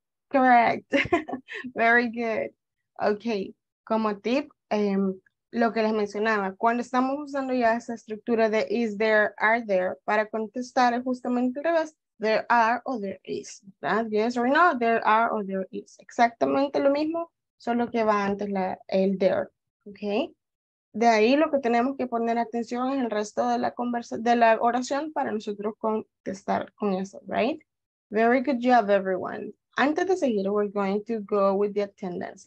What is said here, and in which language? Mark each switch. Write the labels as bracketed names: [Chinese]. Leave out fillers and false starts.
[English] Correct. Very good. Okay. [Spanish] Como tip, lo que les mencionaba, cuando estamos usando ya esa estructura de [English] is there, are there, [Spanish] para contestar es justamente al revés, [English] there are or there is. [Spanish] ¿Verdad? [English] Yes or no, there are or there is. [Spanish] Exactamente lo mismo, solo que va antes el there. Okay. De ahí lo que tenemos que poner atención es el resto de la oración para nosotros contestar con eso. [English] Right. Very good job, everyone. [Spanish] Antes de seguir, [English] we're going to go with the attendance.